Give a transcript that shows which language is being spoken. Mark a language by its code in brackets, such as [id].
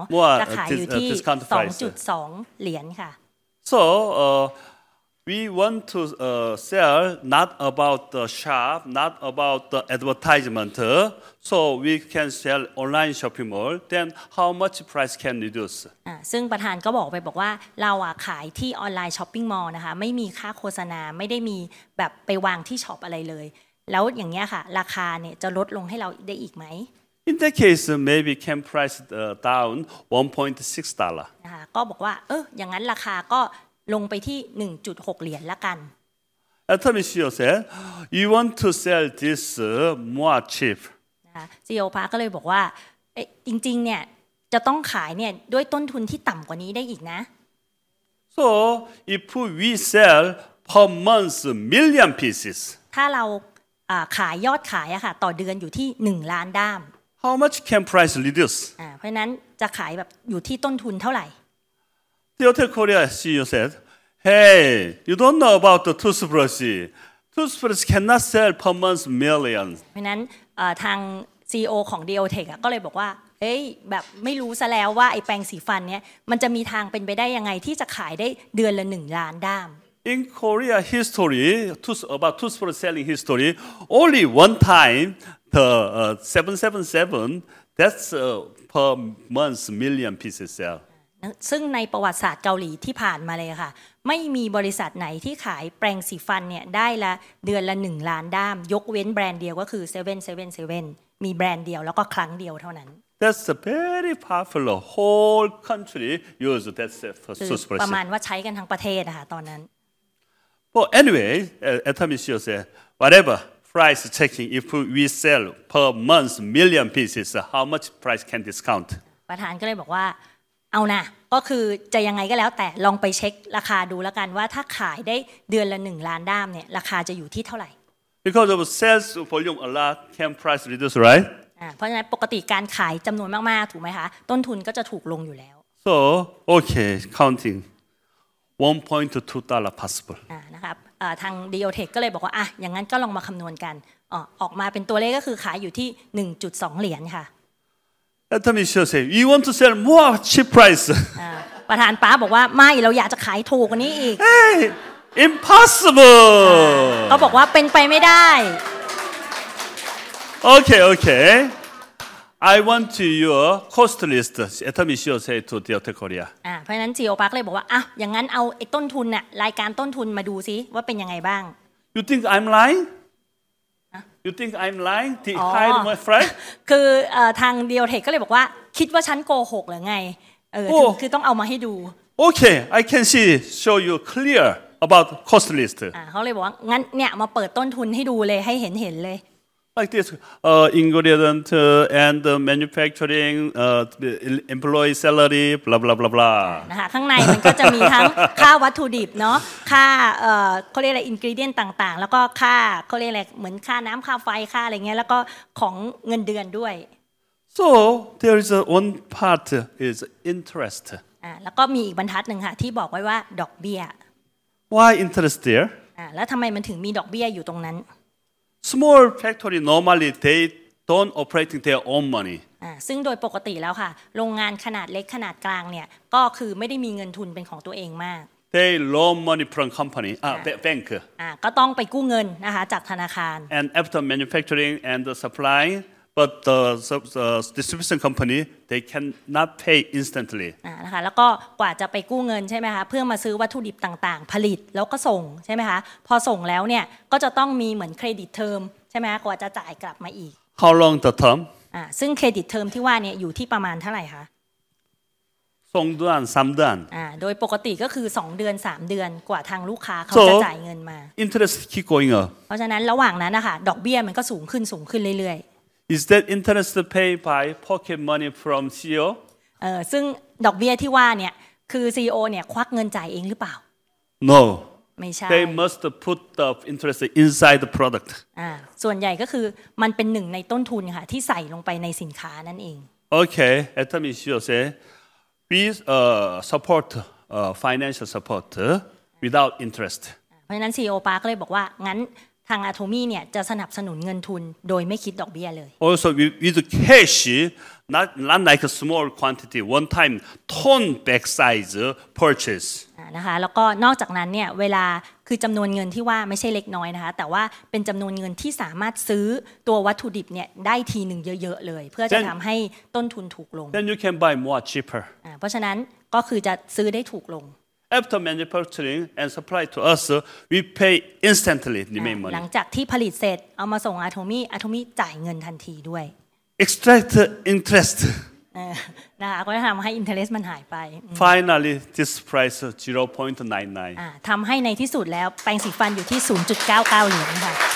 [th] า ะจะขายอยู่ที่ 2.2 เหรียญค่ะ [en] So we want to sell not about the shop not about the advertisement so we can sell online shopping mall then how much price can reduce [th] ซึ่งประธานก็บอกไปบอกว่าเราขายที่ออนไลน์ช้อปปิ้งมอลล์นะคะไม่มีค่าโฆษณาไม่ได้มีแบบไปวางที่ช็อปอะไรเลยแล้วอย่างเงี้ยค่ะราคาเนี่ยจะลดลงให้เราได้อีกไหม [en] In that case maybe can price down $1.6 [th] นะคะก็บอกว่าอย่างนั้นราคาก็ลงไปที่ 1.6 เหรียญละกัน [en] Atomy CEO said you want to sell this more cheap [th] นะคะ CEO Park ก็เลยบอกว่าจริงๆเนี่ยจะต้องขายเนี่ยด้วยต้นทุนที่ต่ำกว่านี้ได้อีกนะ [en] So if we sell per month million pieces [th] ถ้าเราขายยอดขายอะค่ะต่อเดือนอยู่ที่1ล้านด้าม [en] How much can price reduce [th] เพราะนั้นจะขายแบบอยู่ที่ต้นทุนเท่าไหร่ [en] Diotech Korea CEO said, "Hey, you don't know about the toothbrush. Toothbrush cannot sell per month millions." [th] เพราะนั้นทาง CEO ของ Diotech ก็เลยบอกว่าเฮ้ยแบบไม่รู้ซะแล้วว่าไอ้แปรงสีฟันเนี้ยมันจะมีทางเป็นไปได้ยังไงที่จะขายได้เดือนละ1ล้านด้าม [en] In Korea history, about toothbrush selling history, only one time the 777 that's per month million pieces sell. [th] ซึ่งในประวัติศาสตร์เกาหลีที่ผ่านมาเลยค่ะไม่มีบริษัทไหนที่ขายแปรงสีฟันเนี่ยได้ละเดือนละ1ล้านด้ามยกเว้นแบรนด์เดียวก็คือ777มีแบรนด์เดียวแล้วก็ครั้งเดียวเท่านั้น [en] That's a very popular whole country use that toothbrush [th] ประมาณว่าใช้กันทั้งประเทศนะคะตอนนั้น [en] But anyway Atomy CEO said whatever price checking if we sell per month million pieces how much price can discount [th] ประธานก็เลยบอกว่าเอานะก็คือจะยังไงก็แล้วแต่ลองไปเช็คราคาดูแล้วกันว่าถ้าขายได้เดือนละ1ล้านด้ามเนี่ยราคาจะอยู่ที่เท่าไหร่ [en] Because of sales volume a lot can price reduce right [th] เพราะฉะนั้นปกติการขายจำนวนมากๆถูกไหมคะต้นทุนก็จะถูกลงอยู่แล้ว [en] So okay, counting $1.2 possible. [th] นะครับทาง Diotech ก็เลยบอกว่าอ่ะอย่างนั้นก็ลองมาคำนวณกันออกมาเป็นตัวเลขก็คือขายอยู่ที่ 1.2 เหรียญค่ะ [en] Let me show say you want to sell more cheap price. [th] ประธานป้าบอกว่าไม่เราอยากจะขายถูกกว่านี้อีก [en] Hey, impossible. [th] เขาบอกว่าเป็นไปไม่ได้ [en] Okay, okay. I want your cost list. Atami Shio say to Diotech Korea. [th] เพราะนั้น CEO Park เลยบอกว่าอ่ะอย่างนั้นเอาไอ้ต้นทุนน่ะรายการต้นทุนมาดูซิว่าเป็นยังไงบ้าง [en] You think I'm lying? You think I'm lying? Hide my friend? [th] คือทาง Diotech ก็เลยบอกว่าคิดว่าฉันโกหกหรือไงคือต้องเอามาให้ดู [en] Okay, I can see show you clear about cost list. [th] เขาเลยบอกว่างั้นเนี่ยมาเปิดต้นทุนให้ดูเลยให้เห็นๆเลย [en] Like this, ingredient and manufacturing, employee salary, blah blah blah blah. [th] นะคะข้างในมันก็จะมีทั้งค่าวัตถุดิบเนาะค่าเขาเรียกอะไร ingredient ต่างๆแล้วก็ค่าเขาเรียกอะไรเหมือนค่าน้ำค่าไฟค่าอะไรเงี้ยแล้วก็ของเงินเดือนด้วย [en] So there is one part is interest. [th] แล้วก็มีอีกบรรทัดหนึ่งค่ะที่บอกไว้ว่าดอกเบี้ย [en] Why interest there? [th] แล้วทำไมมันถึงมีดอกเบี้ยอยู่ตรงนั้น [en] Small factory normally they don't operating their own money. [th] ซึ่งโดยปกติแล้วค่ะโรงงานขนาดเล็กขนาดกลางเนี่ยก็คือไม่ได้มีเงินทุนเป็นของตัวเองมาก [en] They loan money from company. Bank. [th] ก็ต้องไปกู้เงินนะคะจากธนาคาร [en] And after manufacturing and the supply, but the distribution company they cannot pay instantly. [th] นะคะแล้วก็กว่าจะไปกู้เงินใช่ไหมคะเพื่อมาซื้อวัตถุดิบต่างๆผลิตแล้วก็ส่งใช่ไหมคะพอส่งแล้วเนี่ยก็จะต้องมีเหมือนเครดิตเทอมใช่ไหมคะกว่าจะจ่ายกลับมาอีก [en] How long the term? [th] ซึ่งเครดิตเทอมที่ว่าเนี่ยอยู่ที่ประมาณเท่าไหร่คะ สองเดือนสามเดือน โดยปกติก็คือสองเดือนสามเดือนกว่าทางลูกค้าเขาจะจ่ายเงินมา [en] Interest keep going up [th] เพราะฉะนั้นระหว่างนั้นนะคะดอกเบี้ยมันก็สูงขึ้นสูงขึ้นเรื่อย [en] Is that interest paid by pocket money from CEO? [th] ซึ่งดอกเบี้ยที่ว่าเนี่ยคือ CEO เนี่ยควักเงินจ่ายเองหรือเปล่า [en] No. [th] ไม่ใช่ [en] They must put the interest inside the product. [th] ส่วนใหญ่ก็คือมันเป็นหนึ่งในต้นทุนค่ะที่ใส่ลงไปในสินค้านั่นเอง [en] Okay. Atami Shio say, we support financial support without interest. [th] เพราะนั้น CEO Park เลยบอกว่างั้นทางอาโทมี่เนี่ยจะสนับสนุนเงินทุนโดยไม่คิดดอกเบี้ยเลย [en] Also with cash not like a small quantity one time ton bag size purchase [th] นะคะแล้วก็นอกจากนั้นเนี่ยเวลาคือจำนวนเงินที่ว่าไม่ใช่เล็กน้อยนะคะแต่ว่าเป็นจำนวนเงินที่สามารถซื้อตัววัตถุดิบเนี่ยได้ทีหนึ่งเยอะๆเลยเพื่อจะทำให้ต้นทุนถูกลง [en] Then you can buy more cheaper [th] เพราะฉะนั้นก็คือจะซื้อได้ถูกลง [en] After manufacturing and supply to us, we pay instantly the main money. [th] หลังจากที่ผลิตเสร็จเอามาส่งอาโทมี่อาโทมี่จ่ายเงินทันทีด้วย [en] Extract interest. [th] นะคะก็จะทำให้ interest มันหายไป [en] Finally, this price 0.99. [th] ทำให้ในที่สุดแล้วแปรงสีฟันอยู่ที่ 0.99 เหรียญค่ะ